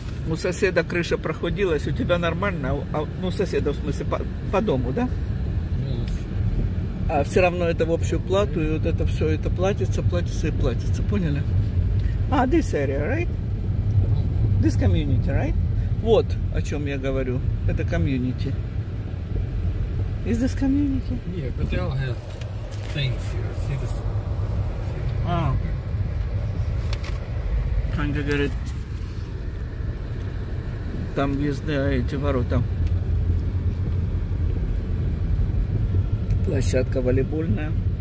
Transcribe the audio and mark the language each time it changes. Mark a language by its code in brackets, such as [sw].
[ru] У соседа крыша прохудилась, у тебя нормально? Ну, соседа, в смысле, по дому, да? А все равно это в общую плату, и вот это все, это платится, платится и платится, поняли? [en] А, this area, right? This community, right? [ru] Вот о чем я говорю. Это community. [en] Is this community? Yeah, but they all have things here. See this? Oh. [ru] Ханга говорит, там везде эти ворота. Площадка волейбольная.